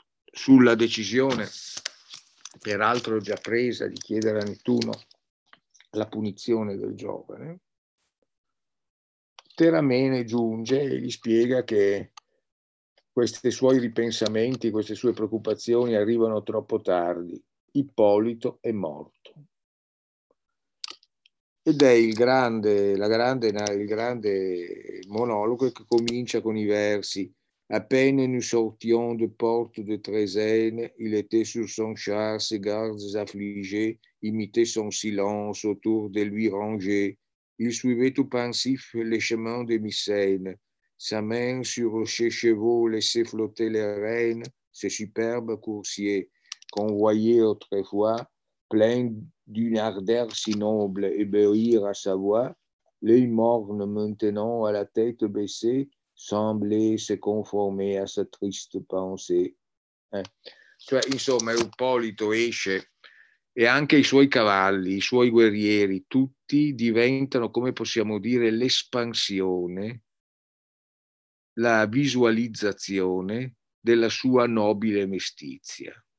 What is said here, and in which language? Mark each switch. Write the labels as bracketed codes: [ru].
[it] sulla decisione, peraltro già presa, di chiedere a Nettuno la punizione del giovane. Teramene giunge e gli spiega che questi suoi ripensamenti, queste sue preoccupazioni arrivano troppo tardi. Ippolito è morto. Ed è il grande monologo che comincia con i versi: [fr] À peine nous sortions de porte de Trézène, il était sur son char, ses gardes affligés, imitaient son silence autour de lui rangé. Il suivait tout pensif les chemins de Mycène, sa main sur ses chevaux laissait flotter les rênes, ses superbes coursiers, convoyés autrefois, pleins d'une ardeur si noble, ébahir à sa voix, l'œil morne maintenant à la tête baissée, semblait se conformer à sa triste pensée. [it] Cioè, insomma, Ippolito esce e anche i suoi cavalli, i suoi guerrieri, tutti diventano, come possiamo dire, l'espansione, la visualizzazione della sua nobile mestizia.